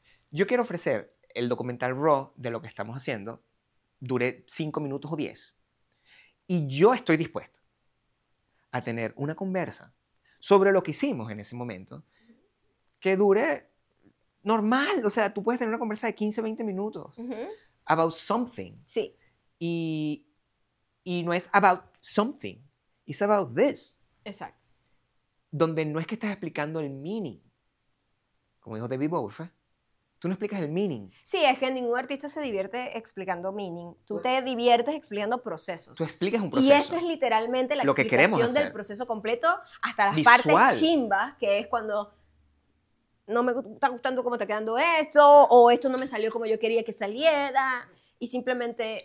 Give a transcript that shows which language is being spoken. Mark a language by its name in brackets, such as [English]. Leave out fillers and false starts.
[Spanish] Yo quiero ofrecer el documental Raw de lo que estamos haciendo, dure 5 minutos o 10, y yo estoy dispuesto a tener una conversa sobre lo que hicimos en ese momento, que dure normal, o sea, tú puedes tener una conversa de 15, 20 minutos, uh-huh, [English] about something. [Spanish] Sí. Y no es [English] about something, it's about this. [Spanish] Exacto. Donde no es que estás explicando el meaning, como dijo David Bowie, ¿eh? Tú no explicas el meaning. Sí, es que ningún artista se divierte explicando meaning. Tú te diviertes explicando procesos. Tú explicas un proceso. Y eso es literalmente la lo explicación del proceso completo, hasta las visual partes chimbas, que es cuando no me está gustando cómo está quedando esto, o esto no me salió como yo quería que saliera, y simplemente...